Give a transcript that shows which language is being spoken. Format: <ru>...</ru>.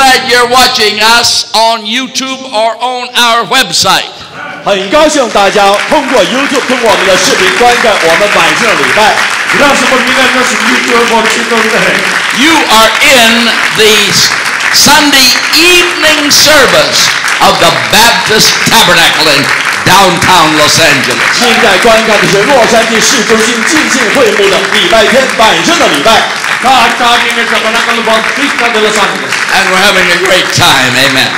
<en>you're watching us on YouTube or on our website.</en> <zh>很高兴大家通过 YouTube 通过我们的视频观看我们晚上礼拜。</zh> <en>You are in the Sunday evening service of the Baptist Tabernacle in downtown Los Angeles.</en> <zh>现在观看的是洛杉矶市中心浸信会幕的礼拜天晚上的礼拜。</zh> <en>And we're having a great time, amen.</en>